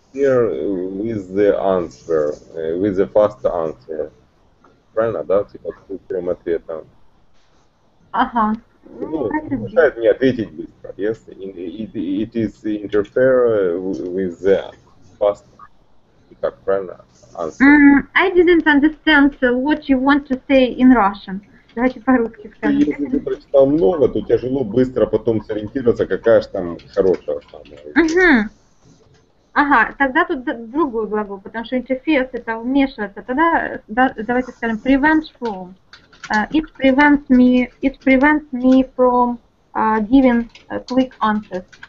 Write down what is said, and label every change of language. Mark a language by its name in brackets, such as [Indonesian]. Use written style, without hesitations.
[English] Here with the answer, with the fast answer. [Russian] Правильно, да? Типа, с быстрым ответом. Ага. Ну, мешает мне ответить быстро. [English] Yes, it is interfere with the fast. [Russian] Так, правильно? [English] I didn't understand what you want to say in Russian. [Russian] Давайте по-русски скажем. Если ты прочитал много, то тяжело быстро потом сориентироваться, какая же там хорошая самая. Ага, тогда тут другой глагол, потому что interfere это вмешиваться. Тогда давайте скажем [English] prevent from. It prevents me from giving quick answers.